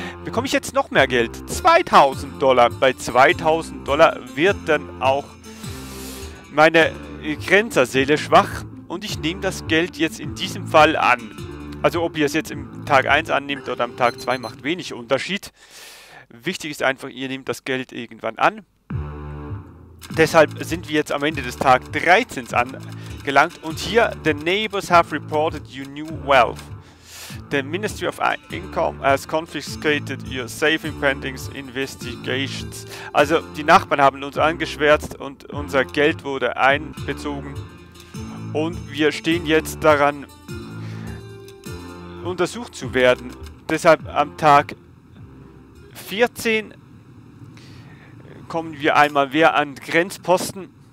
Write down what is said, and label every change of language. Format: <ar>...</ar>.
<de>Bekomme ich jetzt noch mehr Geld. $2000. Bei $2000 wird dann auch meine Grenzerseele schwach. Und ich nehme das Geld jetzt in diesem Fall an. Also ob ihr es jetzt im Tag 1 annimmt oder am Tag 2, macht wenig Unterschied. Wichtig ist einfach, ihr nehmt das Geld irgendwann an. Deshalb sind wir jetzt am Ende des Tag 13 angelangt. Und hier,</de> <en>the neighbors have reported your new wealth. The Ministry of Income has confiscated your saving pendings investigations.</en> <de>Also die Nachbarn haben uns angeschwärzt und unser Geld wurde einbezogen. Und wir stehen jetzt daran, untersucht zu werden. Deshalb am Tag 14 kommen wir einmal mehr an Grenzposten.</de>